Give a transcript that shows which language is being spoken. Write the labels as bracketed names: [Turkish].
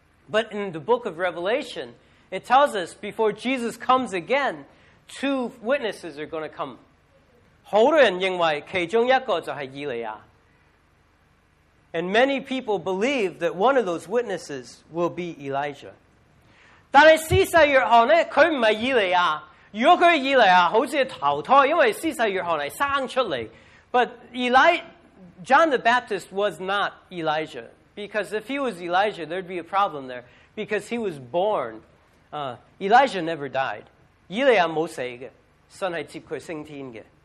[English] But in the book of Revelation, it tells us before Jesus comes again, two witnesses are going to come. [Chinese] 很多人认为其中一个就是以利亚。 [English] And many people believe that one of those witnesses will be Elijah. [Chinese] 但是司洗约翰呢，他不是以利亚。如果他是以利亚，好像是投胎，因为司洗约翰是生出来。 [English] But John the Baptist was not Elijah. Because if he was Elijah, there'd be a problem there. Because he was born. Elijah never died. [Chinese] 以利亚没死的，神是接他升天的。